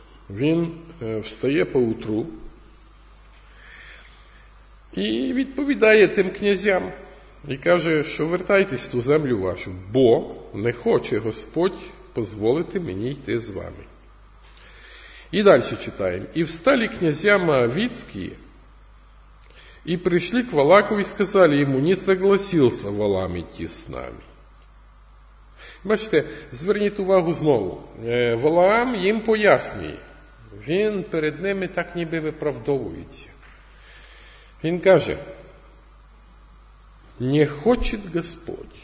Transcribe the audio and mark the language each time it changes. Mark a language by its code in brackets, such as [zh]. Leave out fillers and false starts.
[uk] Він встає поутру і відповідає тим князям. І каже, що вертайтесь в ту землю вашу, бо не хоче Господь дозволити мені йти з вами. І далі читаємо. І встали князі моавітські [ru] И пришли к Валаку и сказали ему: не согласился Валам идти с нами. [uk] Бачите, зверніть увагу знову. Валаам їм пояснює. Він перед ними так ніби виправдовується. Він каже: не хоче Господь.